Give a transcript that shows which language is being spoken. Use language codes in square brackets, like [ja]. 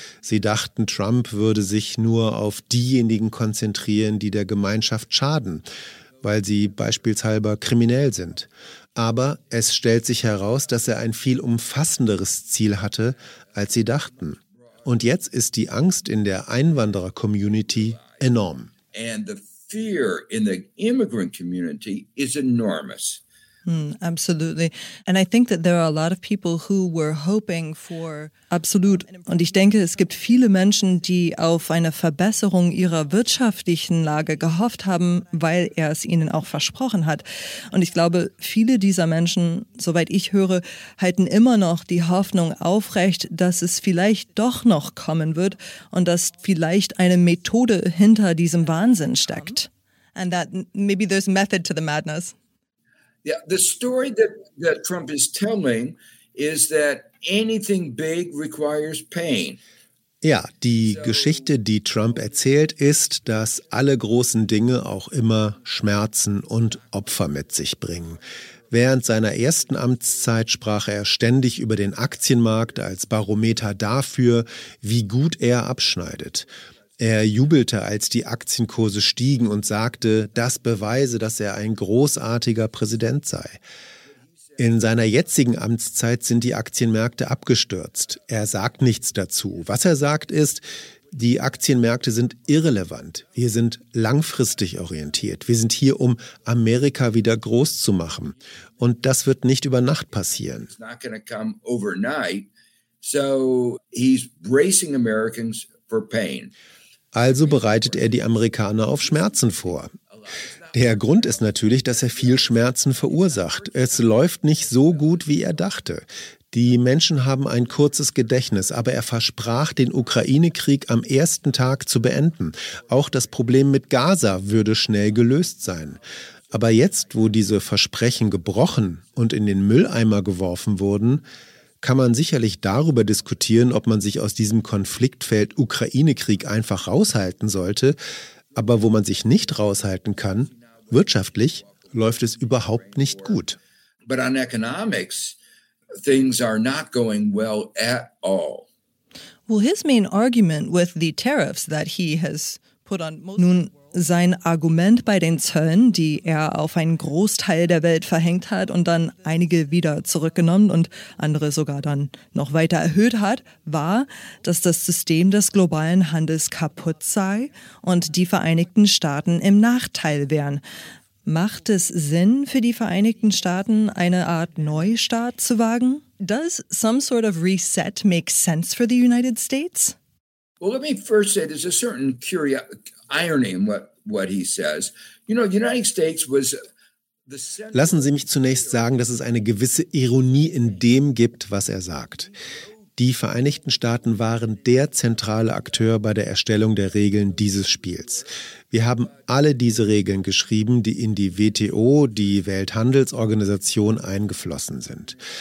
[de] Sie dachten, Trump würde sich nur auf diejenigen konzentrieren, die der Gemeinschaft schaden, weil sie beispielsweise kriminell sind. Aber es stellt sich heraus, dass er ein viel umfassenderes Ziel hatte, als sie dachten. Und jetzt ist die Angst in der Einwanderer-Community enorm. [en] And the fear in the immigrant community is enormous. Absolutely. And I think that there are a lot of people who were hoping for. [de] Absolut. Und ich denke, es gibt viele Menschen, die auf eine Verbesserung ihrer wirtschaftlichen Lage gehofft haben, weil er es ihnen auch versprochen hat. Und ich glaube, viele dieser Menschen, soweit ich höre, halten immer noch die Hoffnung aufrecht, dass es vielleicht doch noch kommen wird und dass vielleicht eine Methode hinter diesem Wahnsinn steckt. [en] And that maybe there's method to the madness. Yeah, the story that Trump is telling is that anything big requires pain. [de] Ja, die Geschichte, die Trump erzählt, ist, dass alle großen Dinge auch immer Schmerzen und Opfer mit sich bringen. Während seiner ersten Amtszeit sprach er ständig über den Aktienmarkt als Barometer dafür, wie gut er abschneidet. Er jubelte, als die Aktienkurse stiegen und sagte, das beweise, dass er ein großartiger Präsident sei. In seiner jetzigen Amtszeit sind die Aktienmärkte abgestürzt. Er sagt nichts dazu. Was er sagt ist, die Aktienmärkte sind irrelevant. Wir sind langfristig orientiert. Wir sind hier, um Amerika wieder groß zu machen. Und das wird nicht über Nacht passieren. [en] It's not gonna come overnight. So he's bracing Americans for pain. [de] Also bereitet er die Amerikaner auf Schmerzen vor. Der Grund ist natürlich, dass er viel Schmerzen verursacht. Es läuft nicht so gut, wie er dachte. Die Menschen haben ein kurzes Gedächtnis, aber er versprach, den Ukraine-Krieg am ersten Tag zu beenden. Auch das Problem mit Gaza würde schnell gelöst sein. Aber jetzt, wo diese Versprechen gebrochen und in den Mülleimer geworfen wurden, kann man sicherlich darüber diskutieren, ob man sich aus diesem Konfliktfeld Ukraine-Krieg einfach raushalten sollte. Aber wo man sich nicht raushalten kann, wirtschaftlich läuft es überhaupt nicht gut. [en] But on economics, things are not going well at all. Well, his main argument with the tariffs that he has put on most. [de] Nun, sein Argument bei den Zöllen, die er auf einen Großteil der Welt verhängt hat und dann einige wieder zurückgenommen und andere sogar dann noch weiter erhöht hat, war, dass das System des globalen Handels kaputt sei und die Vereinigten Staaten im Nachteil wären. Macht es Sinn für die Vereinigten Staaten, eine Art Neustart zu wagen? [en] Does some sort of reset make sense for the United States? Well, let me first say there's a certain irony in what he says. You know, the United States was the center. [de] Lassen Sie mich zunächst sagen, dass es eine gewisse Ironie in dem gibt, was er sagt. Die Vereinigten Staaten waren der zentrale Akteur bei der Erstellung der Regeln dieses Spiels. Wir haben alle diese Regeln geschrieben, die in die WTO, die Welthandelsorganisation, eingeflossen sind.